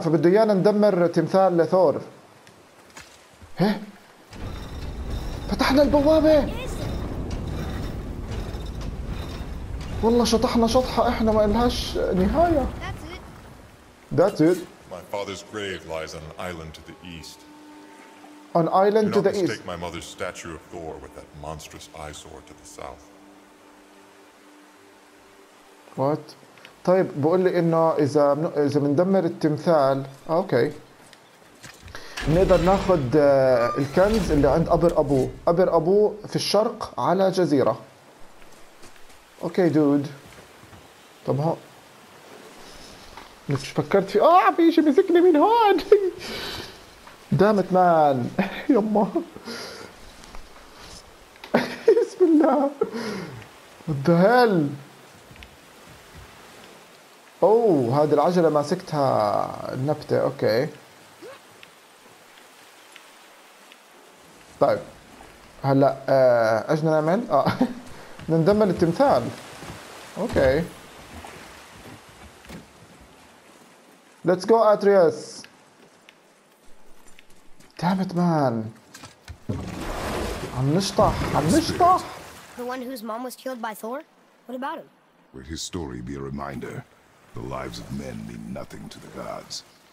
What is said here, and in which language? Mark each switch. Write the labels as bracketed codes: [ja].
[ar] فبده ايانا ندمر تمثال لثور. هه فتحنا البوابة. والله شطحنا شطحة احنا ما لهاش نهاية. [en] That's it. My father's grave lies on an island to the east. An island to the east. Do not mistake my mother's statue of Thor with that monstrous eyesore to the south. What? [ar] طيب بقول لي انه اذا بندمر التمثال اوكي نقدر ناخذ الكنز اللي عند قبر ابوه. قبر ابوه في الشرق على جزيره. اوكي دود. طب هون مش فكرت في اه بيجي مسكني من هون. دامت مان يمه بسم الله [en] what the hell [ar] اوه هذه العجلة ماسكتها النبتة اوكي طيب هلا ايش نعمل؟ نندمل التمثال اوكي [en] Let's go Atreus Damn it man [ar] عم نشطح [en] The one whose mom was killed by Thor? What about him? Will his story be a reminder? The lives of men mean nothing to the gods.